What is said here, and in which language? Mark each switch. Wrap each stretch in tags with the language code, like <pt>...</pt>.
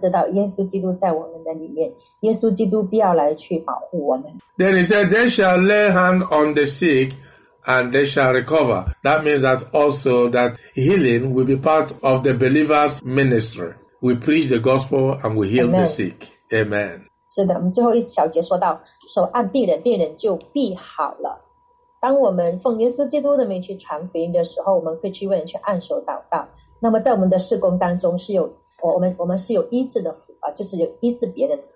<zh>那么第二小节说，若喝了什么毒物，也必不受害。我们看到就是在这个末后的时代，我们看到在启示录的二章的第二十节到二十二节，就是我们就是吃了或者是喝了什么有对我们身体有影响的，但是我们知道耶稣基督在我们的里面。</zh> <en>Then he said, they shall lay hand on the sick and they shall recover. That means that also that healing will be part of the believer's ministry. We preach the gospel and we heal the sick. Amen.</en> <zh>是的，我们最后一小节说到，手按病人，病人就必好了。当我们奉耶稣基督的名去传福音的时候，我们会去为人去按手祷告。那么在我们的事工当中是有，我们是有医治的，就是有医治别人。</zh>